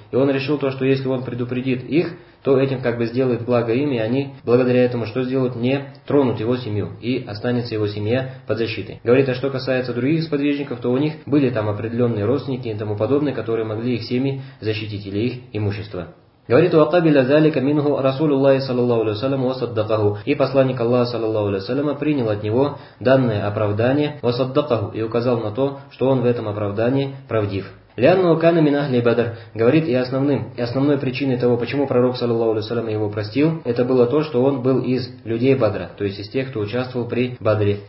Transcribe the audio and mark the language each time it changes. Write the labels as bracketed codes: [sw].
[ru] И он решил то, что если он предупредит их, то этим как бы сделает благо им, и они благодаря этому что сделают? Не тронут его семью, и останется его семья под защитой. Говорит, а что касается других сподвижников, то у них были там определенные родственники и тому подобное, которые могли их семьи защитить или их имущество. Говорит, [ar] وَقَبِلَ ذَلِكَ مِنْهُ رَسُولُ اللَّهِ صَلَى اللَّهُ عَلَيْهِ وَسَلَّمَ وَصَدَّقَهُ. [ru] И посланник Аллаха, саллаллаху алейхи ва саллям, принял от него данное оправдание, [ar] وَصَدَّقَهُ, [ru] и указал на то, что он в этом оправдании правдив. [ar] Лянну кана мин ахли Бадр, [ru] говорит, и основной причиной того, почему пророк, саллаллаху алейхи ва саллям, его простил, это было то, что он был из людей Бадра, то есть из тех, кто участвовал при Бадре.